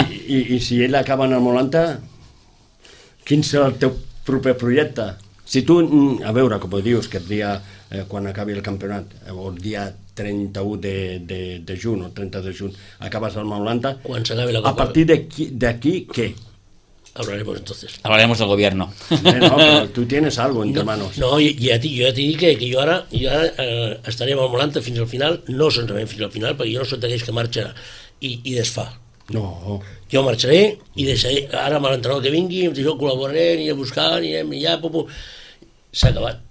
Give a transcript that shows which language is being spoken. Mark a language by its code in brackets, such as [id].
[ca] I si ell acaba en el Molanta, quin serà el teu proper projecte? Si tu, a veure, com ho dius, que el dia quan acabi el campionat, o el dia 31 de juny, o 30 de juny, acabes al Molanta, quan s'acabi la Copa... A partir d'aquí, què? [es] Hablaremos entonces. Hablaremos del gobierno. No, pero tú tienes algo entre manos. No, yo ya te dije que yo ahora estaré en el Molanta [ca] fins al final, no sentaré fins al final, perquè jo no soy d'aquells que marxa i desfà. No. Jo marxaré i deixaré, ara amb l'entrenador que vingui, jo col·laboraré, aniré a buscar, aniré a mirar, popo. S'ha acabat.